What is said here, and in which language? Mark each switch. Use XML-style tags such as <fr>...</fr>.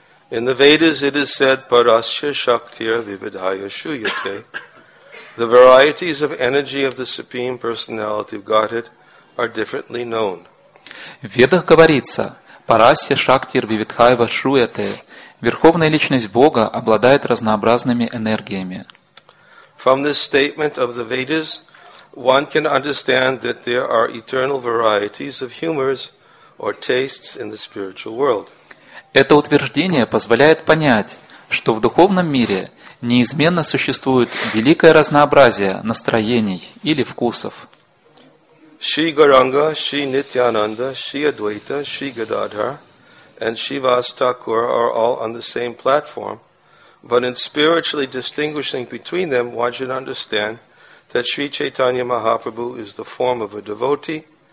<en>In the Vedas it is said,</en> <sa>Parasya Shaktir Vividhaya Shuyate.</sa> <en>The varieties of energy of the Supreme Personality of Godhead are differently known.</en> <ru>В Ведах говорится,</ru> <sa>Парасья Шактир Вивидхайва Шруете,</sa> <ru>Верховная Личность Бога обладает разнообразными энергиями.</ru> <en>From this statement of the Vedas, one can understand that there are eternal varieties of humors or tastes in the spiritual world.</en> <ru>Это утверждение позволяет понять, что в духовном мире неизменно существует великое разнообразие настроений или вкусов.</ru> <en>Shri Gauranga, Shri Nityananda, Shri Advaita, Shri Gadadhar, and Shri Vastakur are all on the same platform, but in spiritually distinguishing between them, one should understand that Shri Chaitanya Mahaprabhu is the form of a devotee,</en>